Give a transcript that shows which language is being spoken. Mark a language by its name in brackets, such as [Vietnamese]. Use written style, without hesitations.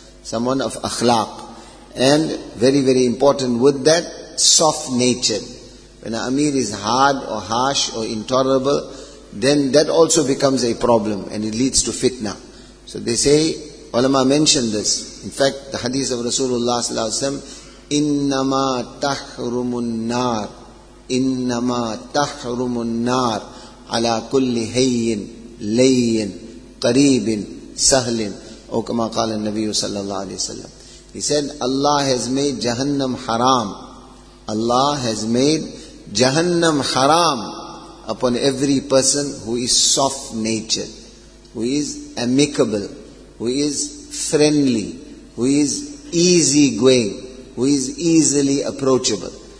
[English] Someone of akhlaq. And very, very important with that, soft nature. When an amir is hard or harsh or intolerable, then that also becomes a problem and it leads to fitna. So they say, ulama mentioned this. [Arabic] In fact, the hadith of Rasulullah sallallahu alaihi wasallam, إِنَّمَا تَحْرُمُ النَّارِ إِنَّمَا تَحْرُمُ النَّارِ عَلَىٰ كُلِّ هَيِّنْ لَيِّنْ قَرِيبٍ سَهْلٍ أو كما قال النبي صلى الله عليه وسلم. [English] He said, Allah has made Jahannam haram. Allah has made Jahannam haram upon every person who is soft natured, who is amicable, who is friendly, who is easy going, who is easily approachable.